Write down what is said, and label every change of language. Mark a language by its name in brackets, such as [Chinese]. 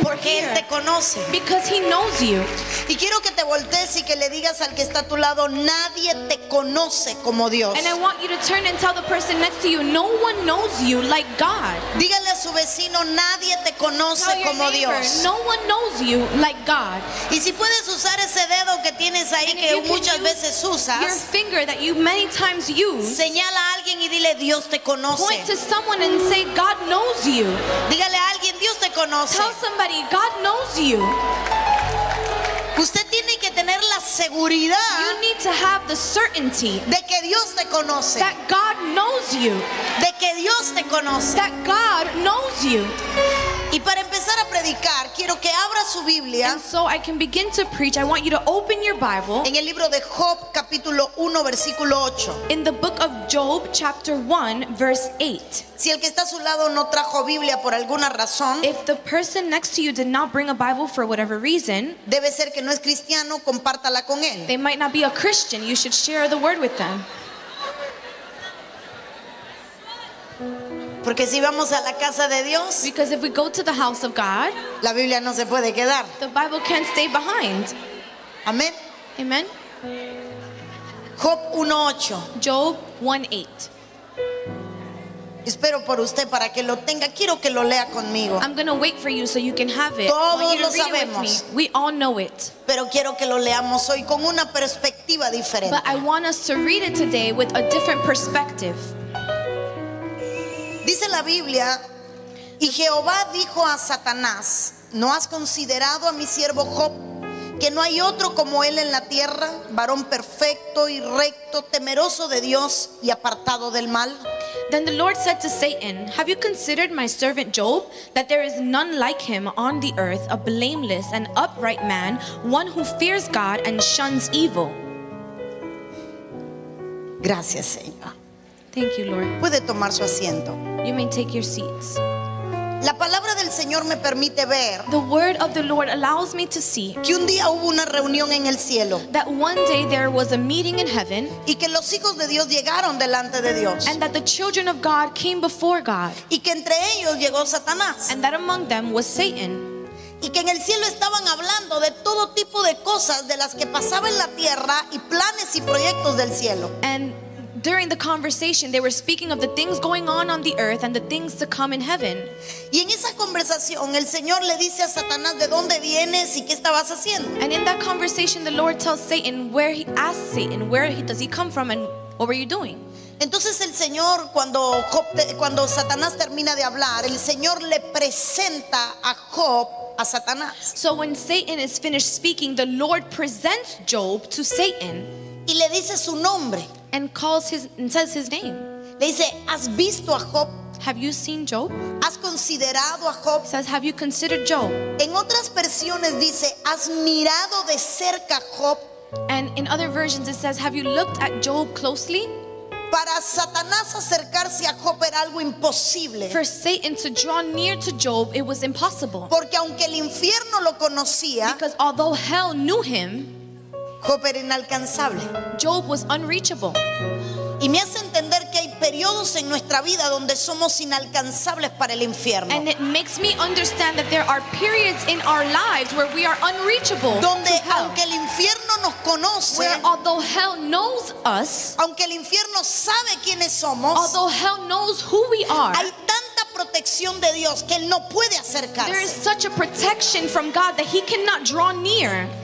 [Spanish] Porque [English] are here. [Spanish] Porque él te conoce. [English] Because he knows you. [Spanish] Y quiero que te voltees y que le digas al que está a tu lado, nadie te conoce como Dios. [English] And I want you to turn and tell the person next to you, no one knows you like God. [Spanish] Dígale a su vecino, nadie te conoce [English] tell [Spanish] como [English] neighbor, [Spanish] Dios. [English] No one knows you like God. [Spanish] Y si puedes usar ese dedo que tienes ahí [English] and [Spanish] que muchas veces usas, [English] your finger that you many times use, [Spanish] señala a alguien y dile Dios te conoce. [English] Point to someone and say, God knows you. [Spanish] Dígale a alguien, Dios te conoce. [English] Tell somebody, God knows you. [Spanish] Usted tiene que tener la seguridad. [English] You need to have the certainty. [Spanish] De que Dios te conoce. [English] That God knows you. [Spanish] De que Dios te conoce. [English] That God knows you. [Spanish] Y para empezar a predicar, quiero que abra su Biblia. [English] And so I can begin to preach. I want you to open your Bible. [Spanish] En el libro de Job, capítulo 1, versículo 8. [English] In the book of Job, chapter 1, verse 8. [Spanish] Si el que está a su lado no trajo Biblia por alguna razón, [English] if the person next to you did not bring a Bible for whatever reason, [Spanish] debe ser que no es cristiano, compártala con él. [English] They might not be a Christian. You should share the word with them. [Spanish] Porque si vamos a la casa de Dios, [English] because if we go to the house of God, [Spanish] la Biblia no se puede quedar. [English] The Bible can't stay behind. [Spanish] Amén. [English] Amen. [Spanish] Job 1:8. [English] Job 1:8. [Spanish] Espero por usted para que lo tenga. Quiero que lo lea conmigo. [English] I'm going to wait for you so you can have it. [Spanish] Todos lo sabemos. [English] We all know it. [Spanish] Pero quiero que lo leamos hoy con una perspectiva diferente. [English] But I want us to read it today with a different perspective. [Spanish] Dice la Biblia, Y Jehová dijo a Satanás: ¿No has considerado a mi siervo Job, que no hay otro como él en la tierra, varón perfecto y recto, temeroso de Dios y apartado del mal? [English] Then the Lord said to Satan, Have you considered my servant Job, that there is none like him on the earth, a blameless and upright man, one who fears God and shuns evil? [Spanish] Gracias, Señor. [English] Thank you, Lord. [Spanish] Puede tomar su asiento. [English] You may take your seats. [Spanish] La palabra del Señor me permite ver. [English] The word of the Lord allows me to see. [Spanish] Que un día hubo una reunión en el cielo. [English] That one day there was a meeting in heaven. [Spanish] Y que los hijos de Dios llegaron delante de Dios. [English] And that the children of God came before God. [Spanish] Y que entre ellos llegó Satanás. [English] And that among them was Satan. [Spanish] Y que en el cielo estaban hablando de todo tipo de cosas de las que pasaba en la tierra y planes y proyectos del cielo. [English] And during the conversation, they were speaking of the things going on the earth and the things to come in heaven. [Spanish] Y en esa conversación, el Señor le dice a Satanás de dónde vienes y qué estabas haciendo. [English] And in that conversation, the Lord tells Satan where he asks Satan where he does he come from and what were you doing. [Spanish] Entonces el Señor, cuando Satanás termina de hablar, el Señor le presenta a Job a Satanás. [English] So when Satan is finished speaking, the Lord presents Job to Satan. [Spanish] Y le dice su nombre. [English] And calls his and says his name. [Spanish] Le dice, ¿has visto a Job? [English] Have you seen Job? [Spanish] ¿Has considerado a Job? [English] Says, have you considered Job? [Spanish] En otras versiones dice, ¿has mirado de cerca Job? [English] And in other versions it says, have you looked at Job closely? [Spanish] Para Satanás acercarse a Job era algo imposible. [English] For Satan to draw near to Job, it was impossible. [Spanish] Porque aunque el infierno lo conocía, [English] because although hell knew him, [Spanish] Job era inalcanzable. [English] Job was unreachable. [Spanish] Y me hace entender que hay periodos en nuestra vida donde somos inalcanzables para el infierno. [English] And it makes me understand that there are periods in our lives where we are unreachable. [Spanish] Donde aunque el infierno nos conoce, [English] where although hell knows us, [Spanish] aunque el infierno sabe quiénes somos, [English] although hell knows who we are, [Spanish] hay tanta protección de Dios que él no puede acercarse. [English] There is such a protection from God that he cannot draw near.